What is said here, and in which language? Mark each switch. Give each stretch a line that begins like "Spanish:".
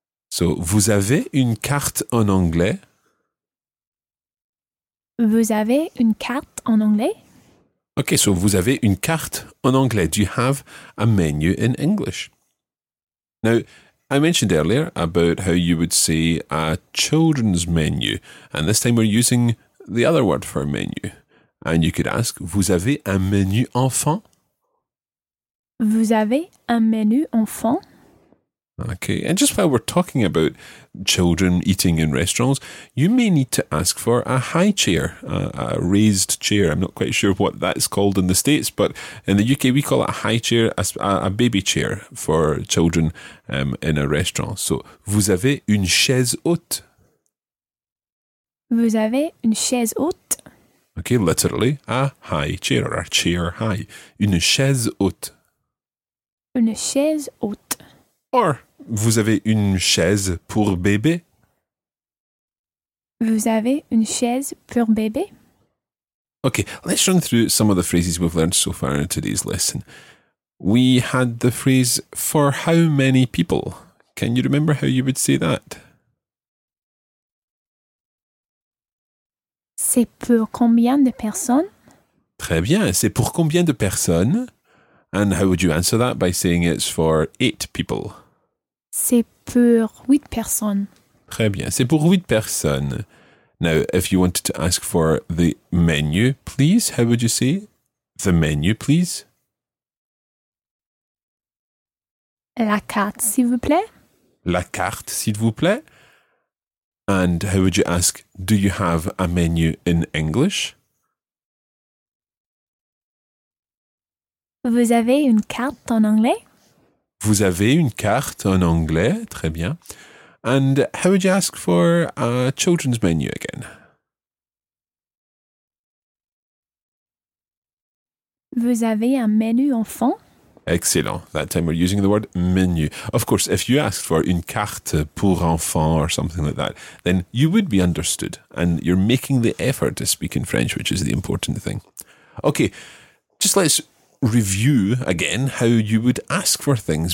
French: So, vous avez une carte en anglais? Vous avez une carte en anglais? Okay, so vous avez une carte en anglais.
English: Do you have a menu in English? Now, I mentioned earlier about how you would say a children's menu, and this time we're using the other word for menu. And you could ask,
French: vous avez un menu enfant? Vous avez un menu enfant?
English: Okay, and just while we're talking about children eating in restaurants, you may need to ask for a high chair, a raised chair. I'm not quite sure what that's called in the States, but in the UK we call it a high chair, a baby chair for children in a restaurant.
French: So, vous avez une chaise haute? Vous avez une chaise haute?
English: Okay, literally, a high chair, or a chair high.
French: Une chaise haute. Une chaise haute. Or, vous avez une chaise pour bébé? Vous avez une chaise pour bébé?
English: Okay, let's run through some of the phrases we've learned so far in today's lesson. We had the phrase, for how many people? Can you remember how you would say that?
French: C'est pour combien de personnes? Très bien, c'est pour combien de personnes?
English: And how would you answer that by saying it's for 8 people?
French: C'est pour 8 personnes. Très bien. C'est pour 8 personnes.
English: Now, if you wanted to ask for the menu, please, how would you say the menu, please?
French: La carte, s'il vous plaît. La carte, s'il vous plaît.
English: And how would you ask, do you have a menu in English?
French: Vous avez une carte en anglais? Vous avez une carte en anglais, très bien.
English: And how would you ask for a children's menu again?
French: Vous avez un menu enfant?
English: Excellent. That time we're using the word menu. Of course, if you asked for
French: une carte pour enfant
English: or something like that, then you would be understood and you're making the effort to speak in French, which is the important thing. Okay, just let's review again how you would ask for things.